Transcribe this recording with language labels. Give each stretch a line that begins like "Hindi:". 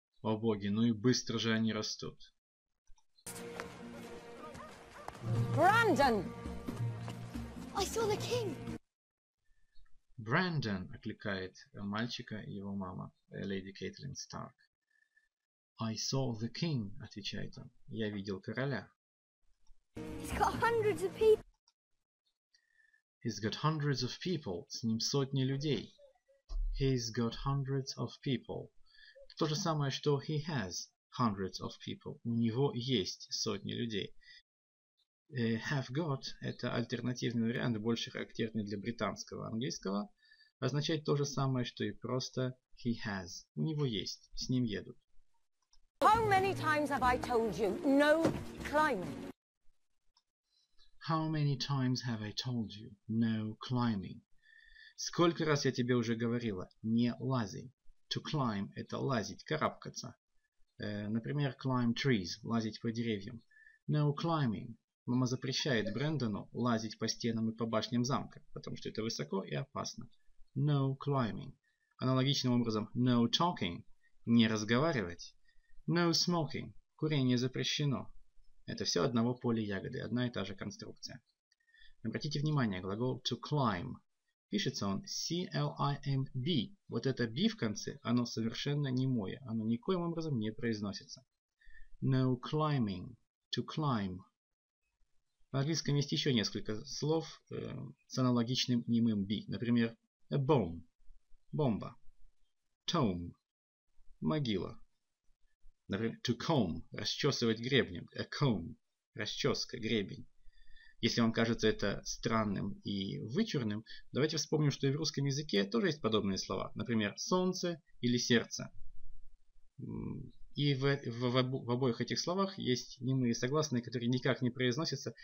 Russian: О боги, ну и быстро же они растут.
English: Brandon! I saw the king!
Russian: Brandon окликает мальчика и его мама, леди Кейтлин Старк.
English: I saw the king,
Russian: отвечает он. Я видел короля.
English: He's got hundreds of people. He's got hundreds of people.
Russian: С ним сотни людей.
English: He's got hundreds of people.
Russian: То же самое, что
English: he has hundreds of people.
Russian: У него есть сотни людей. Have got – это альтернативный вариант, больше характерный для британского английского. Означает то же самое, что и просто
English: he has.
Russian: У него есть. С ним едут.
English: How many times have I told you no climbing? How many times have I told you no climbing?
Russian: Сколько раз я тебе уже говорила, не лази.
English: To climb
Russian: – это лазить, карабкаться. Например,
English: climb trees
Russian: – лазить по деревьям.
English: No climbing.
Russian: Мама запрещает Брэндону лазить по стенам и по башням замка, потому что это высоко и опасно.
English: No climbing.
Russian: Аналогичным образом,
English: no talking
Russian: – не разговаривать.
English: No smoking
Russian: – курение запрещено. Это все одного поля ягоды, одна и та же конструкция. Обратите внимание, глагол
English: to climb
Russian: – пишется он C-L-I-M-B. Вот это B в конце, оно совершенно немое. Оно никоим образом не произносится.
English: No climbing. To climb.
Russian: В английском есть еще несколько слов с аналогичным немым B.
English: Например, a bomb.
Russian: Бомба.
English: Tomb.
Russian: Могила.
English: Например, to comb.
Russian: Расчесывать гребнем.
English: A comb.
Russian: Расческа, гребень. Если вам кажется это странным и вычурным, давайте вспомним, что и в русском языке тоже есть подобные слова. Например, солнце или сердце. И в обоих этих словах есть немые согласные, которые никак не произносятся.